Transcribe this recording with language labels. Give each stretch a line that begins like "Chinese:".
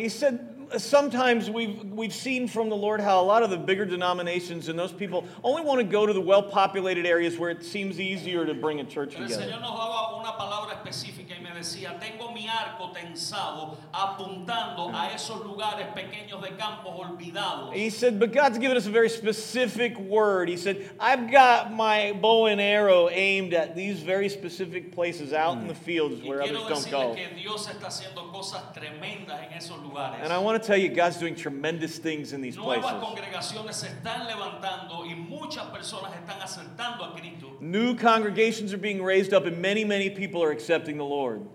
English: He said, sometimes we've seen from the Lord how a lot of the bigger denominations and those people only want to go to the well-populated areas where it seems easier to bring a church together.
Spanish: El Señor nos daba una palabra específica y me decía, tengo mi arco tensado apuntando a esos lugares pequeños de campos olvidados.
English: He said, but God's given us a very specific word. He said, I've got my bow and arrow aimed at these very specific places out in the fields where others don't go.
Spanish: Y quiero decirle que Dios está haciendo cosas tremendas en esos lugares.
English: And I want to tell you, God's doing tremendous things in these places.
Spanish: Nuevas congregaciones se están levantando y muchas personas están aceptando a Cristo.
English: New congregations are being raised up and many, many people are accepting the Lord.